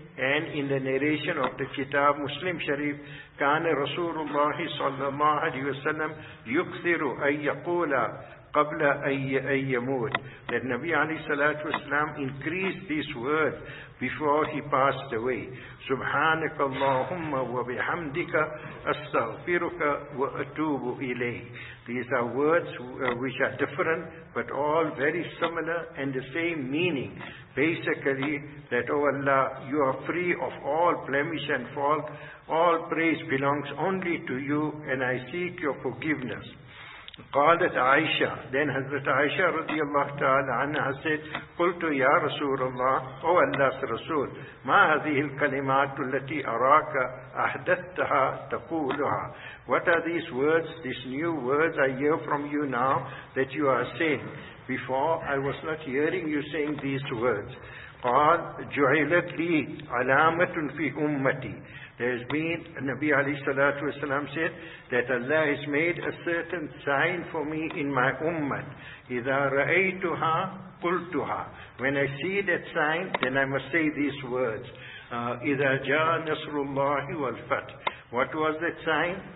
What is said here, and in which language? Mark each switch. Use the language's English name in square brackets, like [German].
[English] And in the narration of the Kitab Muslim Sharif, [Arabic] كَانَ رَسُولُ اللَّهِ صَلَّى اللَّهِ عَلَيْهِ وَسَلَّمْ يُكْثِرُ أَيَّقُولَ قبل أن يموت. [English] The Nabi [Arabic] عليه الصلاة والسلام [English] increased this word before he passed away. [Arabic] سبحانك اللهم وبحمدك أستغفرك وأتوب إليك. [English] These are words which are different but all very similar and the same meaning. Basically that, O Allah, you are free of all blemish and fault. All praise belongs only to you and I seek your forgiveness. [Arabic] قالت عائشة. [English] Then Hazrat Aisha [Arabic] رضي الله تعالى عنها said, قلت يا رسول الله, أو الله رسول, ما هذه الكلمات التي أراك أحدثتها تقولها. [English] What are these words, these new words I hear from you now that you are saying? Before I was not hearing you saying these words. [Arabic] قال جعلت لي علامة في أمتي. [English] There has been, Nabi alayhi salatu wasalam said, that Allah has made a certain sign for me in my ummah. [Arabic] إِذَا رَأَيْتُهَا قُلْتُهَا. [English] When I see that sign, then I must say these words. [Arabic] إِذَا جَاءَ نَصْرُ اللَّهِ وَالْفَتْحِ. [English] What was that sign?